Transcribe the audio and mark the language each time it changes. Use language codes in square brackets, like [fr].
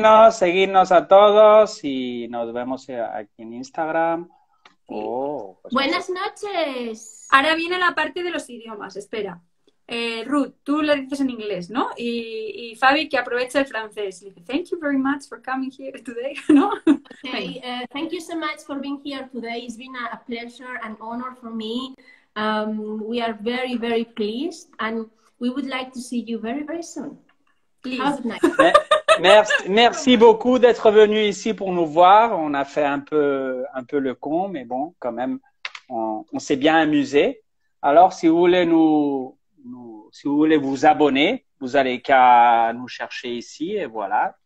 [es] Seguidnos a todos y nos vemos aquí en Instagram. Pues buenas noches. Ahora viene la parte de los idiomas, espera. Ruth, tú le dices en inglés, ¿no? Y Fabi, que aprovecha el francés. Le dice, [en] thank you very much for coming here today, ¿no? Okay, thank you so much for being here today. It's been a pleasure and honor for me. We are very, very pleased and we would like to see you very, very soon. Please. Have a nice day. [fr] Merci beaucoup d'être venu ici pour nous voir. On a fait un peu le con, mais bon, quand même, on s'est bien amusé. Alors, si vous voulez si vous voulez vous abonner, vous allez qu'à nous chercher ici et voilà.